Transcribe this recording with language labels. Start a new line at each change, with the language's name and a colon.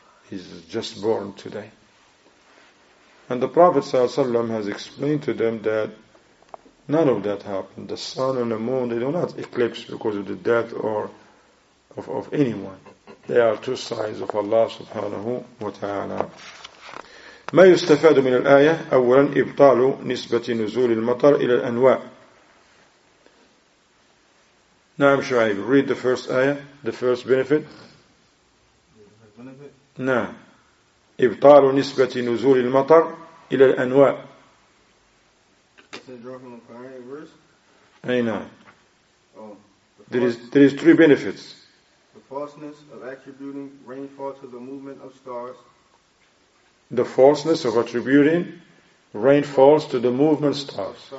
English: He's just born today. And the Prophet ﷺ has explained to them that none of that happened. The sun and the moon, they do not eclipse because of the death or of anyone. They are two signs of Allah subhanahu wa ta'ala.
Arabic: ما يستفاد من الآية أولا إبطال نسبة نزول المطر إلى الأنواع. نعم شعيب.
English: Read the first ayah, the first benefit.
Arabic: نعم. إبطال نسبة نزول المطر إلى الأنواع.
English: It said drop from the primary verse.
Arabic: أي نعم.
English: Oh, there is three benefits. The falseness of attributing rainfall to the movement of stars. The falseness of attributing rainfalls to the movement stars.